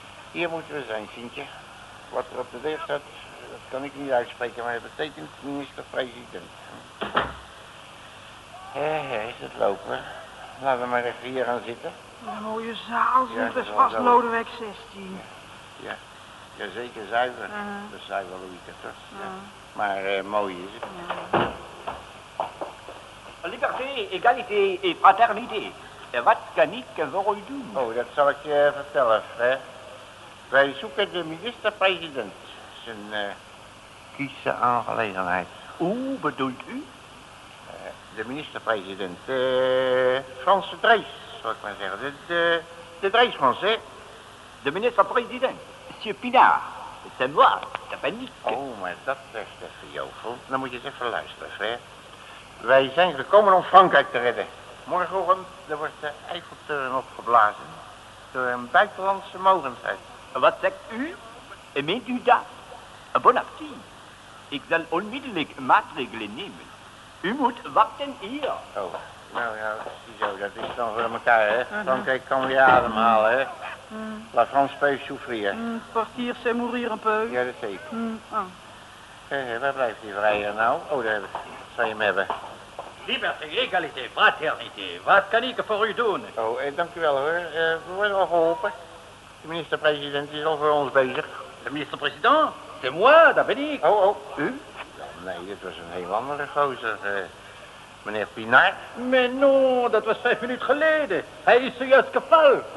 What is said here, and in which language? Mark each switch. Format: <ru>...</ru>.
<nl>Hier moeten we zijn, Sintje. Wat er op de deur staat, dat kan ik niet uitspreken, maar het betekent minister-president. Hé, is het lopen. Laten we maar even hier gaan zitten. Een mooie zaal, zit is vast wel. Lodewijk 16. Ja. Ja, zeker zuiver. Dat is zuiver Louieke, toch? Ja. Maar mooi is het. Ja.</nl> <fr>Liberté, égalité et fraternité.</fr> <nl>Wat kan ik voor u doen? Oh, dat zal ik je vertellen, hè. Wij zoeken de minister-president. Zijn kiesse aangelegenheid. Hoe bedoelt u? De minister-president. Franse Drees, zal ik maar zeggen. De Drees Frans, hè? De minister-president. Monsieur Pinard.</nl> <fr>C'est moi.</fr> <nl>Dat ben ik. Oh, maar dat is even jovel. Dan moet je eens even luisteren, hè. Wij zijn gekomen om Frankrijk te redden. Morgenochtend wordt de Eiffeltoren opgeblazen. Door een buitenlandse mogendheid. Wat zegt u? En meent u dat?</nl> <fr>Bon appétit.</fr> <nl>Ik zal onmiddellijk maatregelen nemen. U moet wachten hier. Oh, nou ja, ziezo, dat is dan voor elkaar, hè. Frankrijk kan weer ademhalen, hè.</nl> <fr>La France peut souffrir. Partir, c'est mourir un peu.</fr> <nl>Ja, dat zeker. Waar blijft die vrijer nou? Oh, daar heb ik. Zal je hem hebben.</nl> <fr>Liberté, égalité, fraternité.</fr> <nl>Wat kan ik voor u doen? Oh, dank u wel, hoor. We worden al geholpen. De minister-president is al voor ons bezig. De minister-president?</nl> <fr>C'est moi,</fr> <nl>dat ben ik. Oh, oh. U? Nee, dat was een heel andere gozer. Meneer Pinard.</nl> <fr>Mais non,</fr> <nl>dat was 5 minuten geleden. Hij is zojuist gevallen.</nl>